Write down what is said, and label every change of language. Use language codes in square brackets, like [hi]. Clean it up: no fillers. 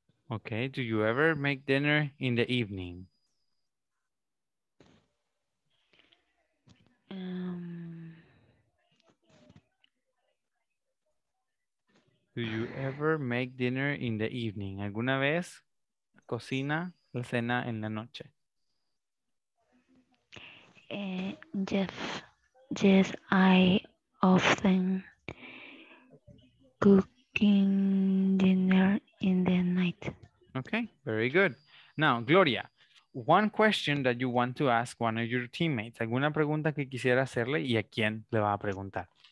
[en] Okay, do you ever make dinner in the evening? Do you ever make dinner in the evening? [es] ¿Alguna vez cocina la cena en la noche? [en] Yes, I often cooking dinner in the night. Okay, very good. Now, Gloria, one question that you want to ask one of your teammates. [es] ¿Alguna pregunta que quisiera hacerle y a quién le va a preguntar?